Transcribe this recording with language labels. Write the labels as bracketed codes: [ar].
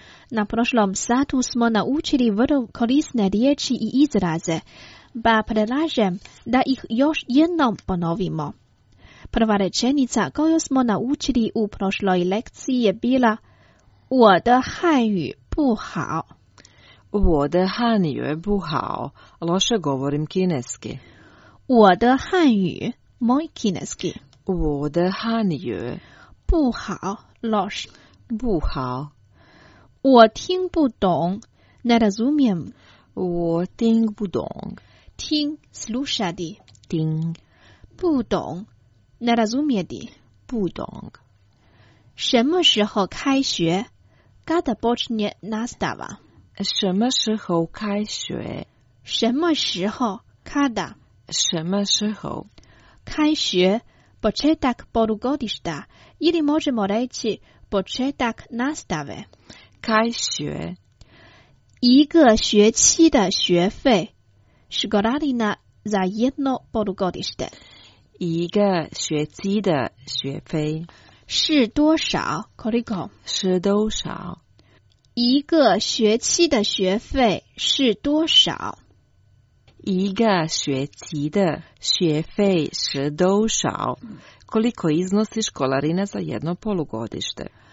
[hr] Na prošlom satu smo naučili vrlo korisne riječi i izraze, pa predlažem da ih još jednom ponovimo. Prva rečenica koju smo naučili u prošloj lekciji je bila [zh] 我的汉语不好。我的汉语不好。 [hr] Loše govorim kineski. [zh] 我的汉语 [hr] moj kineski. [zh] 我的汉语不好 [hr] loš. [zh] 不好。我听不懂 [hr] ne razumijem. [zh] 我听不懂。听 [hr] slušati. [zh] 听。不懂 [hr] ne razumijeti. [zh] 不懂。什么时候开学 [hr] kada počne nastava. [zh] 什么时候开学。什么时候 [hr] kada. [zh] 什么时候。开学 [hr] početak polugodišta ili možemo reći početak nastave. [zh] 开学一个学期的学费 [hr] školarina za jedno polugodište. [zh] 一个学期的学费是多少 [hr] koliko? [zh] 是多少一个学期的学费是多少一个学期的学费是多少 [hr] Koliko iznosi školarina za jedno polugodište?